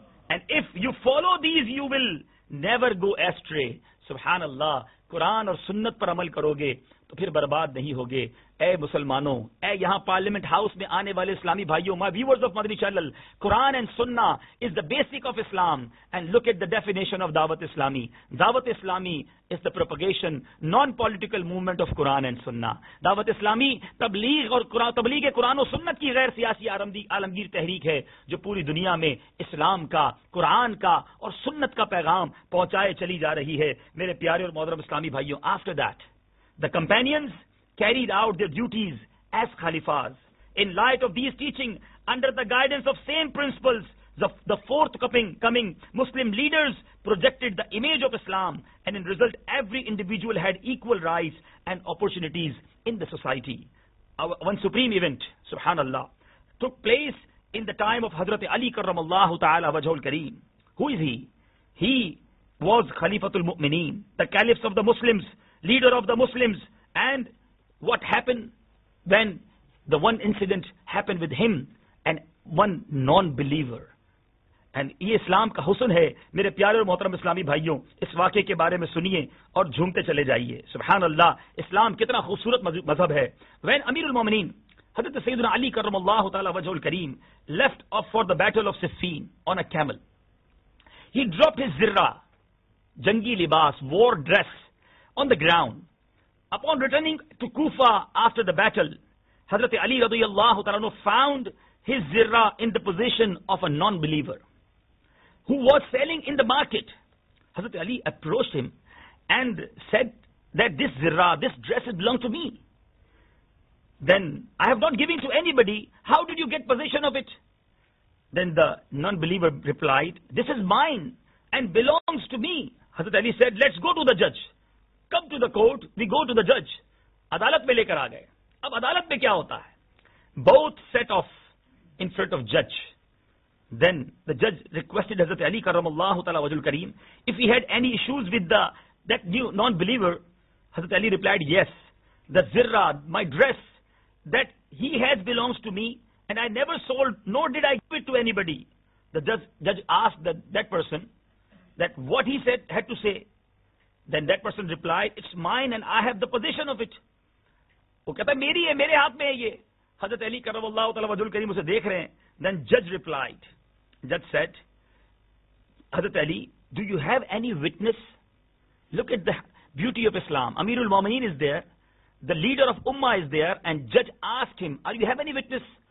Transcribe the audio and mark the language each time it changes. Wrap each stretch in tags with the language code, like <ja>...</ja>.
<en>And if you follow these, you will never go astray.</en> <ar>سبحان اللہ.</ar> <ur>قرآن اور سنت پر عمل کرو گے تو پھر برباد نہیں ہوگے. اے مسلمانوں, اے یہاں پارلیمنٹ ہاؤس میں آنے والے اسلامی بھائیوں,</ur> <en>my viewers of Madani channel, Quran and Sunnah is the basic of Islam. And look at the definition of Dawat Islami. Dawat Islami is the propagation non political movement of Quran and Sunnah.</en> <ur>دعوت اسلامی تبلیغ اور تبلیغ قرآن و سنت کی غیر سیاسی عالمگیر تحریک ہے جو پوری دنیا میں اسلام کا, قرآن کا اور سنت کا پیغام پہنچائے چلی جا رہی ہے. میرے پیارے اور محترم اسلامی بھائیوں,</ur> <en>After that the companions carried out their duties as khalifas. In light of these teaching, under the guidance of same principles, the forthcoming Muslim leaders projected the image of Islam, and in result every individual had equal rights and opportunities in the society. One supreme event, subhanallah, took place in the time of Hazrat Ali karramallahu ta'ala wajhul kareem. Who is he? He was khalifatul mu'mineen, the caliphs of the Muslims, leader of the Muslims. And what happened when the one incident happened with him and one non-believer? And</en> <ur>یہ اسلام کا حسن ہے. میرے پیارے اور محترم اسلامی بھائیوں, اس واقعے کے بارے میں سنیے اور جھومتے چلے جائیے. سبحان اللہ, اسلام کتنا خوبصورت مذہب ہے.</ur> <en>When امیر المومنین حضرت سیدنا علی کرم اللہ تعالی وجہ الکریم left off for the battle of Siffin on a camel, he dropped his zirra, جنگی لباس, war dress, on the ground. Upon returning to Kufa after the battle, Hazrat Ali radiyallahu ta'ala found his zirra in the possession of a non-believer who was selling in the market. Hazrat Ali approached him and said that this zirra, this dress, it belonged to me. Then I have not given to anybody. How did you get possession of it? Then the non-believer replied, this is mine and belongs to me. Hazrat Ali said, let's go to the judge. Come to the court, we go to the judge.</en> <ur>عدالت میں لے کر آ گئے. اب عدالت میں کیا ہوتا ہے؟</ur> <en>Both set off in front of judge. Then the judge requested Hazrat Ali karam Allah ta'ala wajhul kareem if he had any issues with that new non-believer. Hazrat Ali replied, yes, the zirra, my dress, that he has belongs to me and I never sold nor did I give it to anybody. The judge asked that person that what he said had to say. Then that person replied, it's mine and I have the possession of it.</en> <ur>وہ کہتا ہے میری ہے, میرے ہاتھ میں ہے یہ. حضرت علی کرم اللہ تعالی وجہ الکریم اسے دیکھ رہے ہیں.</ur> <en>Then judge replied, judge said, حضرت علی, do you have any witness? Look at the beauty of Islam. امیر المومنین is there, the leader of Ummah is there, and judge asked him, are you have any witness?</en>